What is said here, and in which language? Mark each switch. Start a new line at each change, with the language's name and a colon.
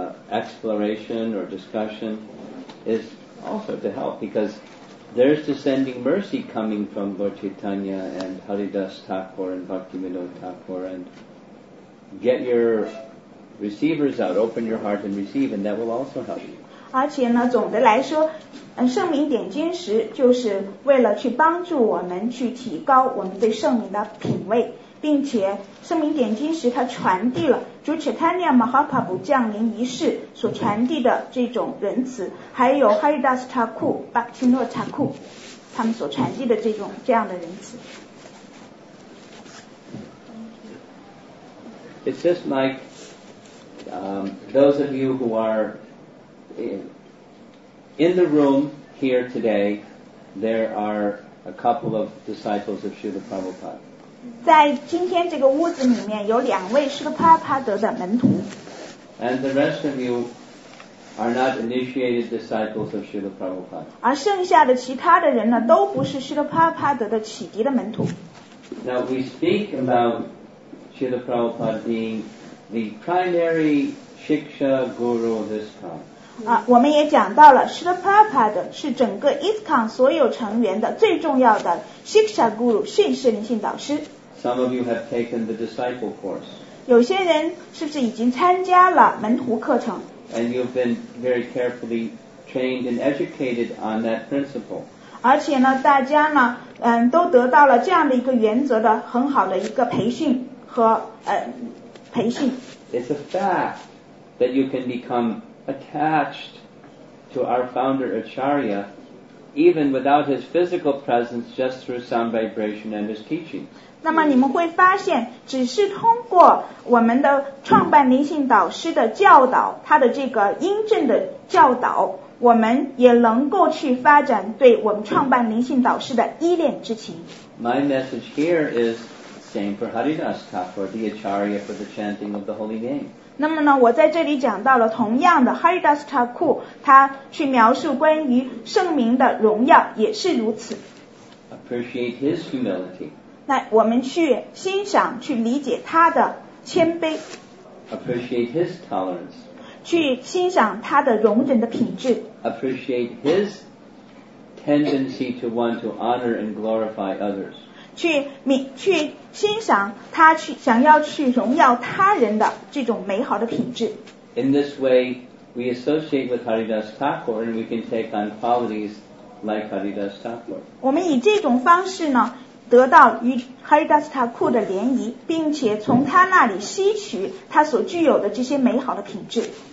English: Exploration or discussion is also to help because there's descending mercy coming from Lord Chaitanya and Haridas Thakur and Bhaktivinoda Thakur and get your receivers out, open your heart and receive and that will also help you.
Chinese: 而且呢，总的来说，圣名点金石就是为了去帮助我们去提高我们对圣名的品位。并且圣名点金石它传递了主切坦涅马哈帕布降临仪式所传递的这种仁慈还有哈里达斯塔库巴克提诺塔库他们所传递的这样的仁慈
English: It's just like those of you who are in the room here today there are a couple of disciples of Srila Prabhupada
Chinese: 在今天这个屋子里面有两位是个帕帕德的门徒
English: and the rest of you are not initiated disciples of Srila Prabhupada.
Chinese: 而剩下的其他的人呢，都不是 Srila Prabhupada 的启迪的门徒。
English: Now we speak about Srila Prabhupada being the primary Shiksha Guru of ISKCON.
Chinese: 我们也讲到了 Srila Prabhupada 是整个 ISKCON 所有成员的最重要的 Shiksha Guru, 训示灵性导师。
English: Some of you have taken the disciple course.
Chinese: 有些人是不是已经参加了门徒课程？
English: And you've been very carefully trained and educated on that principle.
Chinese: 而且呢，大家呢，都得到了这样的一个原则的很好的一个培训和培训。
English: It's a fact that you can become attached to our founder Acharya even without his physical presence, just through sound vibration and his teaching.
Chinese: 那么你们会发现，只是通过我们的创办灵性导师的教导，他的这个音证的教导，我们也能够去发展对我们创办灵性导师的依恋之情。
English: My message here is same for Haridas Thakur, the Acharya for the chanting of the holy name.
Chinese: 那么呢，我在这里讲到了同样的 Haridas Thakur, 他去描述关于圣名的荣耀也是如此。
English: Appreciate his humility.
Chinese: 那我们去欣赏，去理解他的谦卑。
English: Appreciate his tolerance.
Chinese: 去欣赏他的容忍的品质。
English: Appreciate his tendency to want to honor and glorify others.
Chinese: 去欣赏他去想要去荣耀他人的这种美好的品质。
English: In this way, we associate with Haridas Thakur and we can take on qualities like Haridas Thakur.
Chinese: 我们以这种方式呢，得到与 Haridas Thakur 的联谊，并且从他那里吸取他所具有的这些美好的品质。